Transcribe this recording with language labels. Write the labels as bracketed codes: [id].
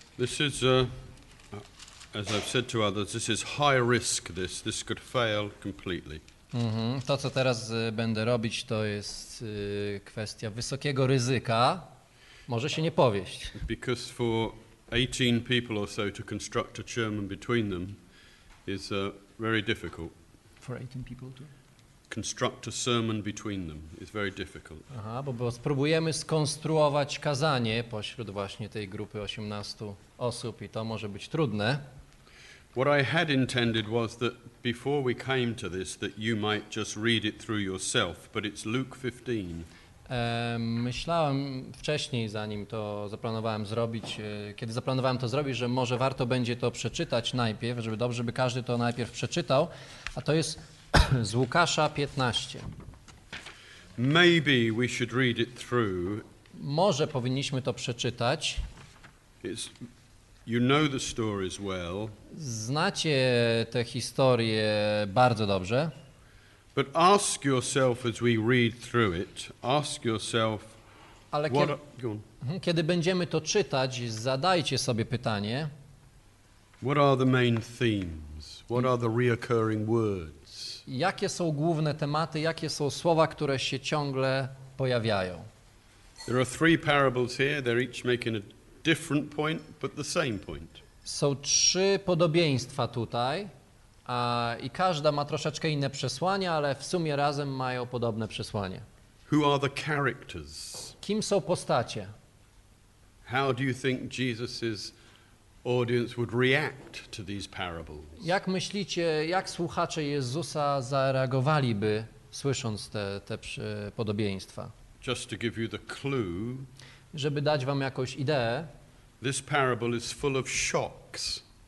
[en] This is, as I've said to others, this is high risk. This could fail completely. Mm-hmm. [pl] To, co teraz będę robić, to jest kwestia wysokiego ryzyka. Może się nie powieść. [en] Because for 18 people or so to construct a chairman between them is very difficult. For 18 people to? Construct a sermon between them is very difficult. [pl] Aha, bo spróbujemy skonstruować kazanie pośród właśnie tej grupy 18 osób i to może być trudne. [en] What I had intended was that before we came to this, that you might just read it through yourself, but it's Luke 15. [pl] Myślałem wcześniej, zanim to zaplanowałem zrobić, kiedy zaplanowałem to zrobić, że może warto będzie to przeczytać najpierw, żeby dobrze, by każdy to najpierw przeczytał, a to jest z Łukasza 15. [en] Maybe we should read it through. [pl] Może powinniśmy to przeczytać. [en] You know the stories well. [pl] Znacie tę historię bardzo dobrze. [en] But ask yourself as we read through it, ask yourself, [pl] ale kiedy będziemy to czytać, zadajcie sobie pytanie. [en] What are the main themes? What are the reoccurring words? [pl] Jakie są główne tematy, jakie są słowa, które się ciągle pojawiają? [en] There are three parables here, they're each making a different point, but the same point. [pl] Są trzy podobieństwa tutaj. I każda ma troszeczkę inne przesłanie, ale w sumie razem mają podobne przesłanie. [en] Who are the characters? [pl] Kim są postacie? [en] How do you think Jesus's audience would react to these parables? [pl] Jak myślicie, jak słuchacze Jezusa zareagowaliby, słysząc te podobieństwa? [en] Just to give you the clue. [pl] Żeby dać wam jakąś ideę. [en] This parable is full of shocks.